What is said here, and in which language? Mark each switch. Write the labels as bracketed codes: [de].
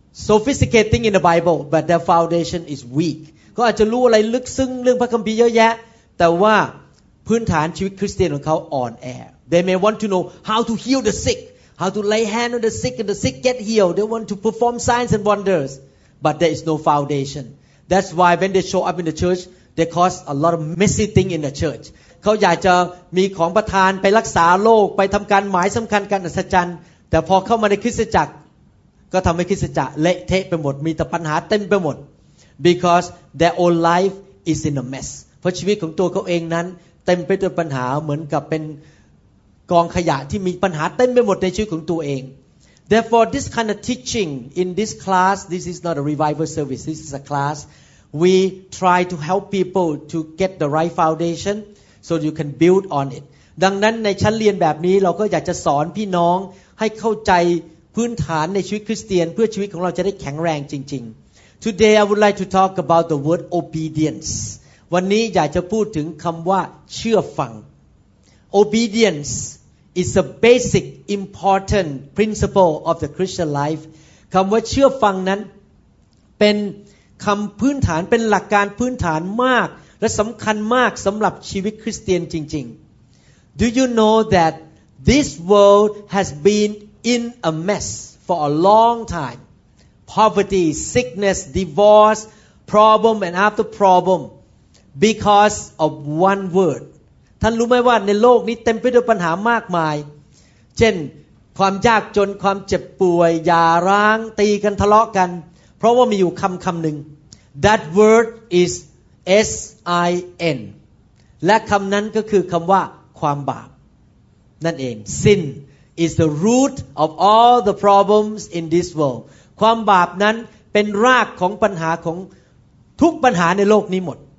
[en] sophisticating in the Bible but their foundation is weak [th] เขาอาจจะรู้อะไรลึกซึ้งเรื่องพระคัมภีร์เยอะแยะแต่ว่าพื้นฐานชีวิตคริสเตียนของเขาอ่อนแอ [en] They may want to know how to heal the sick how to lay hand on the sick and the sick get healed They want to perform signs and wonders but there is no foundationThat's why when they show up in the church, they cause a lot of messy thing in the church. [th] เขาอยากจะมีของประทานไปรักษาโรคไปทำการหมายสำคัญการอัศจรรย์แต่พอเข้ามาในคริสตจักรก็ทำให้คริสตจักรเละเทะไปหมดมีแต่ปัญหาเต็มไปหมด [en] because their own life is in a mess. [th] เพราะชีวิตของตัวเขาเองนั้นเต็มไปด้วยปัญหาเหมือนกับเป็นกองขยะที่มีปัญหาเต็มไปหมดในชีวิตของตัวเอง [en] Therefore this kind of teaching in this class, this is not a revival service, this is a class. We try to help people to get the right foundation so you can build on it. [th] ดังนั้นในชั้นเรียนแบบนี้เราก็อยากจะสอนพี่น้องให้เข้าใจพื้นฐานในชีวิตคริสเตียนเพื่อชีวิตของเราจะได้แข็งแรงจริงๆ [en] Today I would like to talk about the word obedience. [th] วันนี้อยากจะพูดถึงคำว่าเชื่อฟัง [en] Obedience is a basic important principle of the Christian life. [th] คำว่าเชื่อฟังนั้นเป็นคำพื้นฐานเป็นหลักการพื้นฐานมากและสำคัญมากสำหรับชีวิตคริสเตียนจริงๆ [en] Do you know that this world has been in a mess for a long time? Poverty, sickness, divorce, problem and after problem because of one word. [th] ท่านรู้ไหมว่าในโลกนี้เต็มไปด้วยปัญหามากมายเช่นความยากจนความเจ็บป่วยหย่าร้างตีกันทะเลาะกันเพราะว่ามีอยู่คำคำหนึ่ง [en] That word is sin [th] และคำนั้นก็คือคำว่าความบาปนั่นเอง [en] Sin is the root of all the problems in this world [th] ความบาปนั้นเป็นรากของปัญหาของทุกปัญหาในโลกนี้หมด